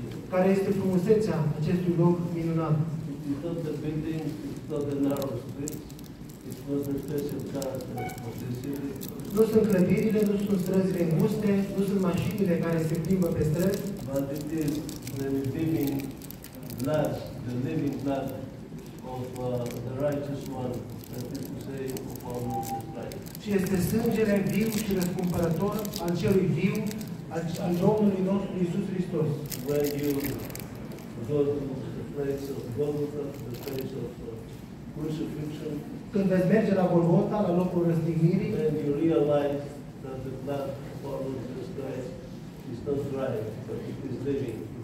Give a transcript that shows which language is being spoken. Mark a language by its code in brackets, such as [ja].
[ro] Care este frumusețea acestui loc minunat? [en] It is not the building, it is not the narrow streets, it was the special character of the city. [ro] Nu sunt clădirile, nu sunt străzile înguste, nu sunt mașinile care se plimbă pe străzi. [en] But it is the living blood, the living blood of the righteous one, that is to say, of our Lord Jesus Christ. [ro] Și este sângele viu și răscumpărător al celui viu, al Domnului nostru Iisus Hristos. [en] When you go to the place of Golgotha, the place of crucifixion, [ro] când veți merge la Golgotha, la locul răstignirii, [en] then you realize that the blood of our Lord Jesus Christ is not dry, but it is living.